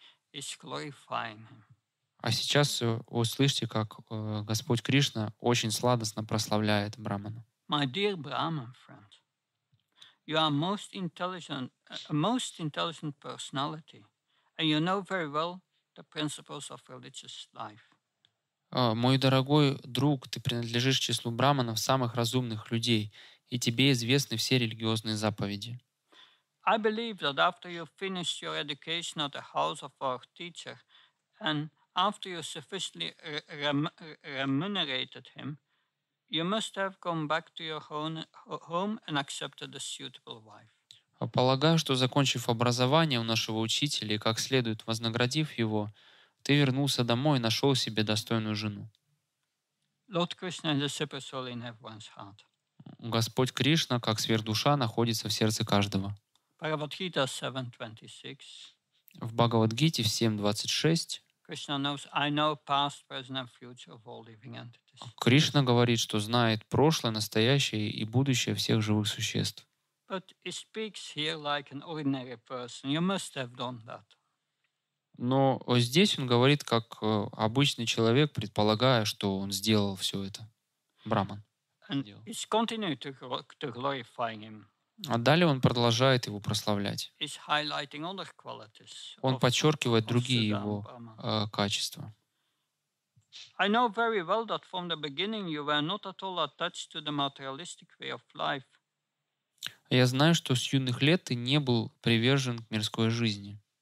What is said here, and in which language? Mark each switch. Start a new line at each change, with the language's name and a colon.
Russian: А сейчас услышьте, как Господь Кришна очень сладостно прославляет Брахмана.
English: My dear Brahman friend, you are a most intelligent personality, and you know very well the principles of religious life.
Russian: Мой дорогой друг, ты принадлежишь к числу брахманов, самых разумных людей, и тебе известны все религиозные заповеди.
English: I believe that after you finish your education at the house of our teacher, and after you sufficiently remunerated him, you must have gone back to your home and accepted a suitable wife.
Russian: Полагаю, что, закончив образование у нашего учителя и как следует вознаградив его, ты вернулся домой и нашел себе достойную жену.
English: Lord Krishna is the super soul in everyone's heart.
Russian: Господь Кришна, как сверхдуша, находится в сердце каждого.
English: Bhagavad-gita 7.26.
Russian: В Бхагавад-гите 7.26
English: Krishna knows, I know past, present and future of all living entities.
Russian: Кришна говорит, что знает прошлое, настоящее и будущее всех живых существ.
English: But he speaks here like an ordinary person. You must have done that.
Russian: Но здесь он говорит как обычный человек, предполагая, что он сделал все это. Брахман.
English: And he's continuing to glorifying him.
Russian: А далее он продолжает его прославлять.
English: He's highlighting other qualities.
Russian: Он подчеркивает другие его качества.
English: I know very well that from the beginning you were not at all attached to the materialistic way of life.
Russian: Я знаю, что с юных лет ты не был привержен к мирской жизни.